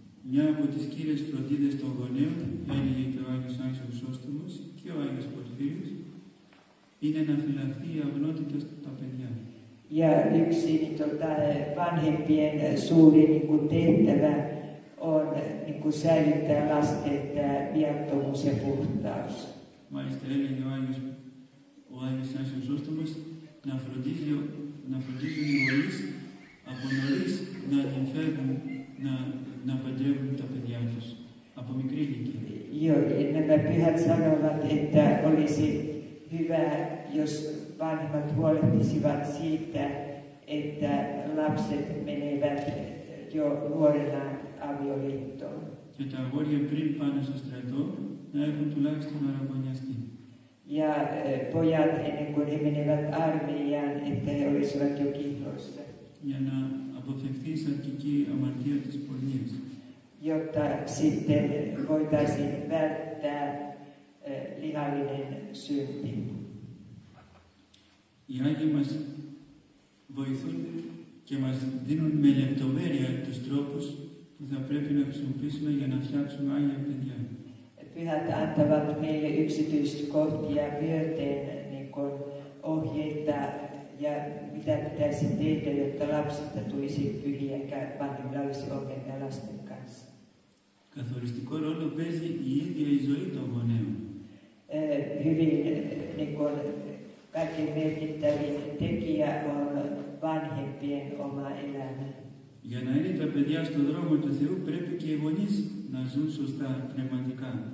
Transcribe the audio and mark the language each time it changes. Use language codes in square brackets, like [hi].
[el] Μια από τις κύριες φροντίδες των γονέων, έλεγε και ο Άγιος Άγιος Χρυσόστομος και ο Άγιος Πορφύριος, είναι να φυλαχθεί η αγνότητα στα παιδιά. Για [fi] yksi vanhempien suuri tehtävä on säilyttää lasten viattomuus ja puhtaus. [el] Μάλιστα έλεγε ο Άγιος Άγιος Χρυσόστομος να φροντίζουν οι γονείς από νωρίς να την φεύγουν, να παντρεύουν τα παιδιά τους από μικρή ηλικία. [fi] Nämä pyhät sanovat, että olisi hyvä, jos vanhemmat huolehtisivat siitä, että lapset menevät jo nuorena avioliittoon. [el] Και τα αγόρια πριν πάνε στο στρατό, να έχουν τουλάχιστον αραβωνιαστεί. [fi] Ja pojat, ennen kuin he menevät armeijaan, että he olisivat jo kihloissa. [el] Για να αποφευθεί η σαρκική αμαρτία της πορνείας. [fi] Jotta sitten voitaisiin välttää lihallinen synti. [el] Οι Άγιοι μας βοηθούν και μας δίνουν με λεπτομέρεια τους τρόπους που θα πρέπει να χρησιμοποιήσουμε για να φτιάξουμε άγια παιδιά. [fi] Pyhät antavat meille yksityiskohtia myöten niin kuin ohjeita ja mitä pitäisi tehdä, jotta lapsista tulisi pyhiä ja vanhemmilla olisi ongelmia lasten kanssa. [el] Καθοριστικό ρόλο παίζει η ίδια η ζωή των γονέων. [fi] Hyvin niin kuin kaikkein merkittävin tekijä on vanhempien oma elämä. [el] Για να είναι τα παιδιά στον δρόμο του Θεού πρέπει και οι γονείς να ζουν σωστά πνευματικά.